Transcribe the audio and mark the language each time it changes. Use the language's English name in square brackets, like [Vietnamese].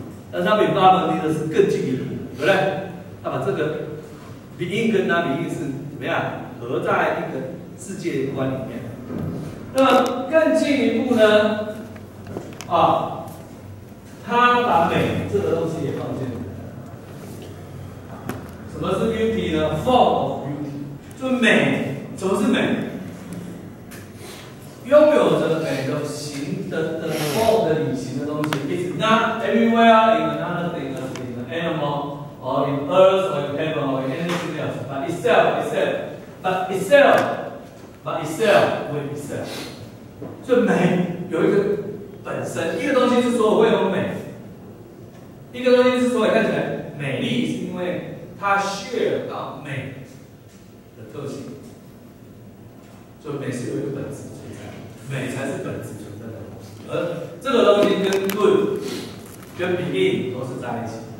[Chinese] 但是他比巴门尼德斯更进一步。对不对？他把这个 being 跟 not being 是怎么样合在一个世界观里面。那么更进一步呢？啊，他把美这个东西也放进来了。什么是 beauty 呢 ？Form of beauty， 就美，什么是美？拥有着美的形的 form 的理型的东西 [English] ，is not everywhere in another thing in an animal。 Or in earth, or in heaven, or in anything else, but itself, but itself [Chinese] 把 itself 为 itself， 所以美有一个本身，一个东西是说我会有美，一个东西是说你看起来美丽，是因为它 share 到美的特性，所以美是有一个本质存在，美才是本质存在的东西，而这个东西跟 good 跟 begin 都是在一起。